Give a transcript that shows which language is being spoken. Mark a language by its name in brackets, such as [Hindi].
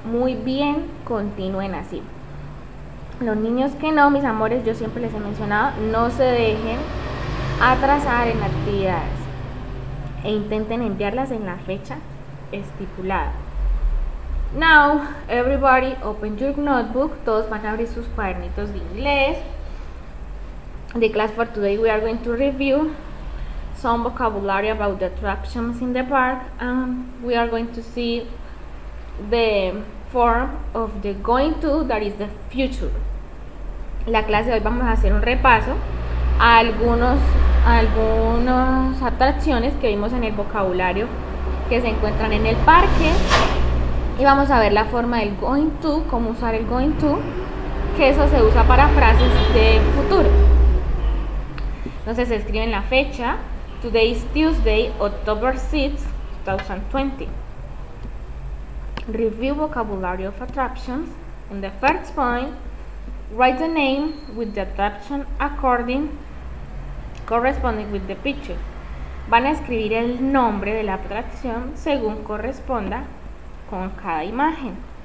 [Spanish] Muy bien, continúen así. Los niños que no, mis amores, yo siempre les he mencionado, no se dejen atrasar en actividades e intenten enviarlas en la fecha estipulada. [English] Now, everybody open your notebook. [Spanish] Todos van a abrir sus cuadernitos de inglés. [English] The class for today, we are going to review some vocabulary about the attractions in the park. We are going to see the form of the going to, that is the future. [Spanish] La clase de hoy vamos a hacer un repaso a algunas atracciones que vimos en el vocabulario que se encuentran en el parque, y vamos a ver la forma del going to, cómo usar el going to, que eso se usa para frases de futuro. Entonces se escribe en la fecha: [English] today is Tuesday, October 6th 2020. Review vocabulary of attractions. In the first point, write the name with the attraction according corresponding with the picture. [Spanish] Van a escribir el nombre de la atracción según corresponda con cada imagen.